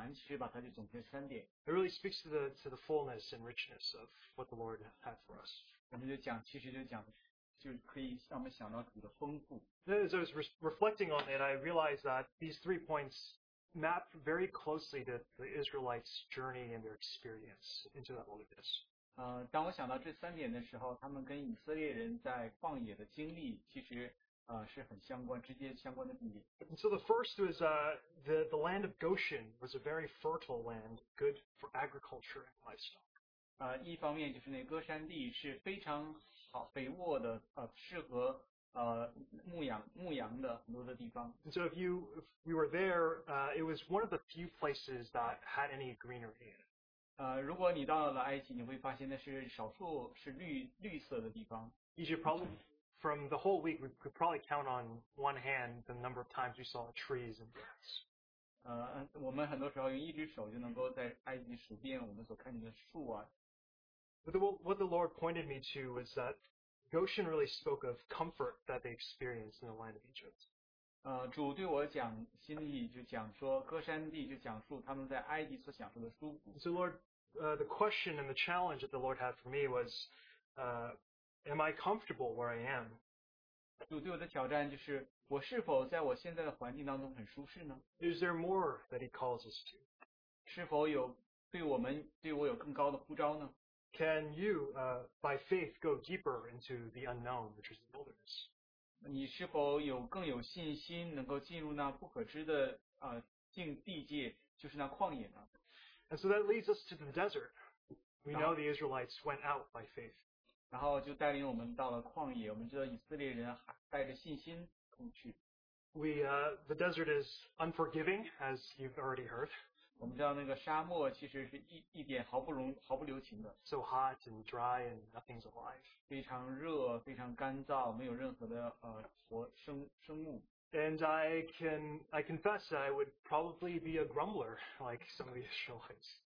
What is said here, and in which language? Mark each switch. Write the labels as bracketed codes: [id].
[en] It really speaks to the fullness and richness of what the Lord had for us. As I was reflecting on it, I realized that these 3 points map very closely to the Israelites' journey and their experience into that wilderness. [zh] 当我想到这三点的时候，他们跟以色列人在旷野的经历其实是很相关，直接相关的地点。 [en] And so the first was the land of Goshen was a very fertile land, good for agriculture and livestock. [zh] 一方面就是那歌山地是非常好肥沃的，适合牧羊的很多的地方。 [en] And so if we were there, it was one of the few places that had any greenery in it. [zh] 如果你到了埃及，你会发现那是少数是绿色的地方。 [en] From the whole week, we could probably count on one hand the number of times we saw trees and grass. [zh] 我们很多时候用一只手就能够在埃及数遍我们所看见的树啊。 [en] What the Lord pointed me to was that Goshen really spoke of comfort that they experienced in the land of Egypt. [zh] 主对我讲，心里就讲说，歌山地就讲述他们在埃及所享受的舒服。 [en] So Lord, the question and the challenge that the Lord had for me was, am I comfortable where I am? [zh] 主对我的挑战就是，我是否在我现在的环境当中很舒适呢？ [en] Is there more that he calls us to? [zh] 是否有对我有更高的呼召呢？ [en] Can you, by faith, go deeper into the unknown, which is the wilderness? [zh] 你是否有更有信心能够进入那不可知的境地界，就是那旷野呢？ [en] And so that leads us to the desert. We know the Israelites went out by faith. [zh] 然后就带领我们到了旷野，我们知道以色列人带着信心出去。 [en] The desert is unforgiving, as you've already heard. [zh] 我们知道那个沙漠其实是一点毫不留情的。 [en] So hot and dry and nothing's alive. [zh] 非常热，非常干燥，没有任何的活生物。 [en] And I confess that I would probably be a grumbler like some of the Israelites.